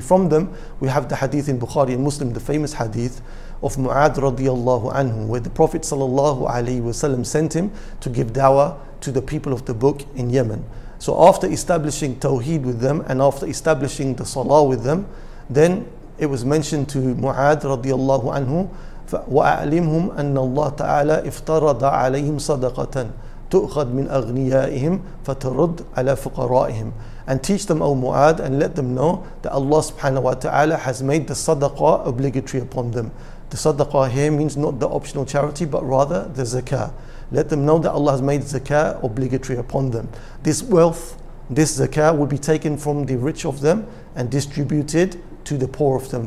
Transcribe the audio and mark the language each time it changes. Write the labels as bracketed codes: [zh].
[en] From them, we have the hadith in Bukhari and Muslim, the famous hadith of Mu'ad radiallahu anhu, where the Prophet sallallahu alayhi wa sallam sent him to give dawah to the people of the book in Yemen. So after establishing tawheed with them and after establishing the salah with them, then it was mentioned to Mu'ad radiallahu anhu, [ar] وَأَعْلِمْهُمْ أَنَّ اللَّهَ تَعَالَى افْتَرَضَ عَلَيْهِمْ صَدَقَةً تُؤْخَدْ مِنْ أَغْنِيَائِهِمْ فَتَرُدْ عَلَى فُقَرَائِهِمْ. [en] And teach them, O Mu'ad, and let them know that Allah subhanahu wa ta'ala has made the sadaqah obligatory upon them. The sadaqah here means not the optional charity, but rather the zakah. Let them know that Allah has made zakah obligatory upon them. This wealth, this zakah, will be taken from the rich of them and distributed to the poor of them.